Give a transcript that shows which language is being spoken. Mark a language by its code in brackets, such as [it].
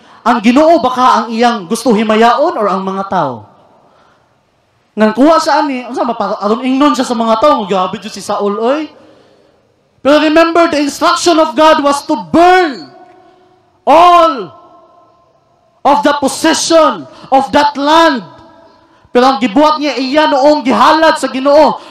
[ceb] Ang Ginoo baka ang iyang gusto himayaon or ang mga tao. Nga kuha sa ani, unsa maparon ingnon siya sa mga tao, grabe jud si Saul oy. [en] But remember, the instruction of God was to burn all of the possession of that land. [ceb] Pero ang gibuhat niya iya noong gihalad sa Ginoo.